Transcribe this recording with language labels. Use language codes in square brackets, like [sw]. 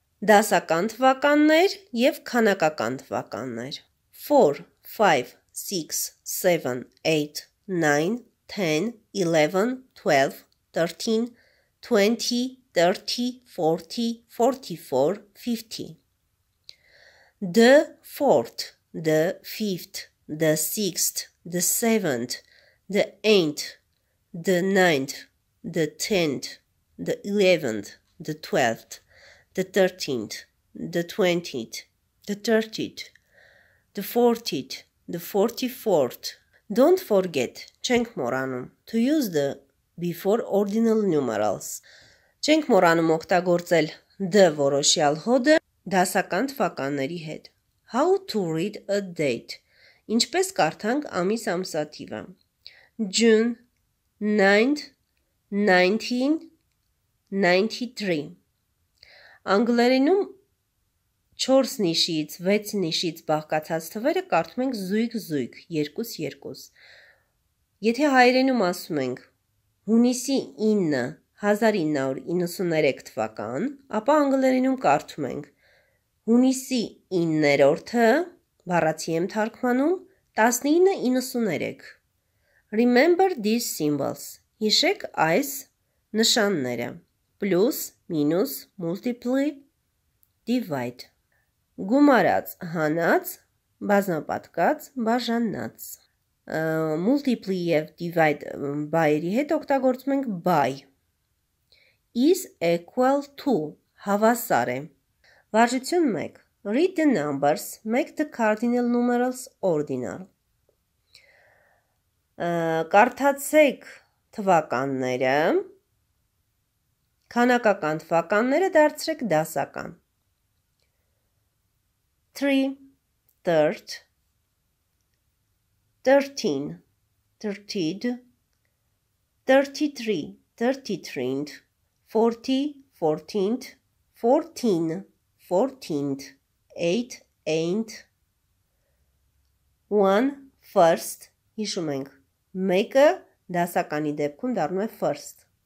[hy] Դասական թվականներ եւ քանակական թվականներ [en] 4 5 6 7 8 9 10 11 12 13 20 30 40 44 50 The fourth, the fifth, the sixth, the seventh, the eighth, the ninth, the tenth, the 11th, the 12th. The 13th, the 20th, the 30th, the 40th, the 44th. Don't forget, [hy] չենք մորանում, [en] to use the before ordinal numerals. [hy] Չենք մորանում օգտագործել the որոշյալ հոդը դասական թվականների հետ. [en] How to read a date. [hy] Ինչպես կարդանք ամիս ամսաթիվը. [en] June 9th, 1993. [hy] Անգլերենում 4 նիշից, 6 նիշից բաղկացած թվերը կարդում ենք զույգ-զույգ, 2-2. Եթե հայերենում ասում ենք հունիսի 9-ը, 1993 թվական, ապա անգլերենում կարդում ենք հունիսի 9-րդը, բառացի եմ թարգմանում, 1993. [en] Remember these symbols. [hy] Հիշեք այս նշանները. [en] Plus, minus, multiply, divide. [hy] Գումարած, հանած, բազմապատկած, բաժանած. Multiply եւ divide բայերի հետ օգտագործում ենք by. [en] Is equal to [hy] հավասար է. Վարժություն 1. [en] Read the numbers, make the cardinal numerals ordinal. [hy] Կարդացեք թվականները. Քանակական թվականները դարձրեք դասական. 3, 3rd, 13, 13rd, 33, 33rd, 40, 14th, 14, 14th, 8, 8th, 1, 1st, հիշում ենք, մեկը դասականի դեպքում դառնում է 1st.